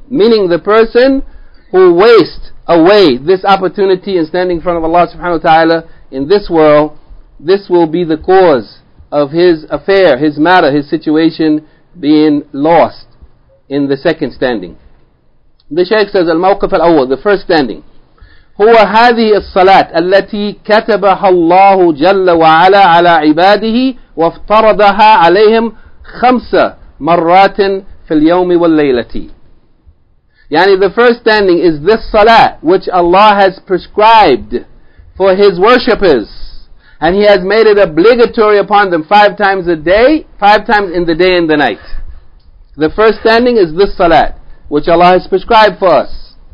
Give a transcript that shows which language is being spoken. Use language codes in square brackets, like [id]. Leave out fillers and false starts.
[en] Meaning the person who wastes away this opportunity in standing in front of Allah subhanahu wa ta'ala in this world, this will be the cause of his affair, his matter, his situation being lost in the second standing. The Shaykh says, Al-Mawqif Al-Awwal, the first standing. [ar] هو هذه الصلاة التي كتبها الله جل وعلا على عباده وافترضها عليهم خمس مرات في اليوم والليلة. [en] Yani the first standing is this salah which Allah has prescribed for His worshippers, and He has made it obligatory upon them five times a day, five times in the day and the night. The first standing is this salat, which Allah has prescribed for us.